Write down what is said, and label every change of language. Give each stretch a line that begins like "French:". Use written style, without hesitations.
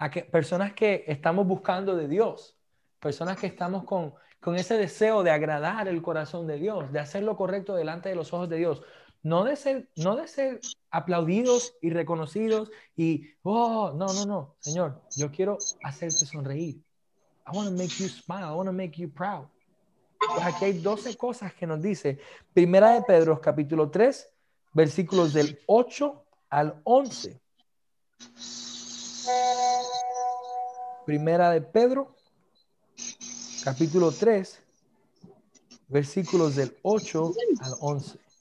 Spanish: personas que estamos buscando de Dios, personas que estamos con ese deseo de agradar el corazón de Dios, de hacer lo correcto delante de los ojos de Dios, no de ser aplaudidos y reconocidos y, oh, no, Señor, yo quiero hacerte sonreír.
English: I want to make you smile. I want to make you proud.
Spanish: Pues aquí hay 12 cosas que nos dice Primera de Pedro, capítulo 3, versículos del 8 al 11. Primera de Pedro, capítulo 3, versículos del 8 al 11.